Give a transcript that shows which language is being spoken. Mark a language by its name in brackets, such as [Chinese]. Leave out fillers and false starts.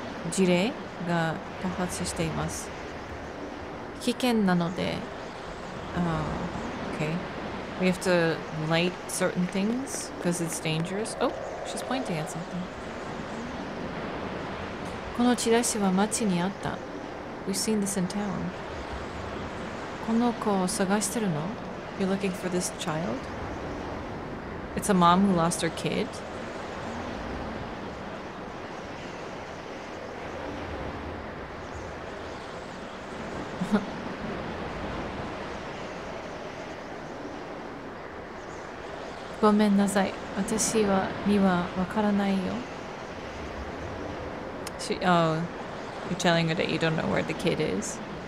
[Japanese] 事例が多発しています。危険なので、 [English] okay. We have to light certain things because it's dangerous. Oh, she's pointing at something. [Japanese] このチラシは街にあった。 [English] We've seen this in town. [Japanese] この子を探してるの? [English] You're looking for this child? It's a mom who lost her kid. [Japanese] ごめんなさい。私は、にはわからないよ。 [English] You're telling her that you don't know where the kid is.